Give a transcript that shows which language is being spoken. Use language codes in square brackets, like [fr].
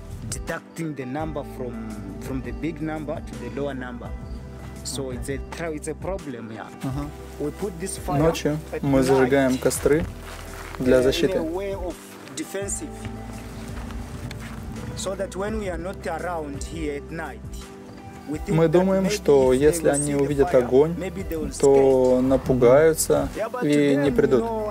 [en] Deducting the number from the big number to the lower number, so it's a problem here. We put this fire. [ru] Ночью мы зажигаем костры для защиты. [en] In a way of defensive, so that when we are not around here at night. [ru] Мы думаем, что если они увидят огонь, то напугаются и не придут.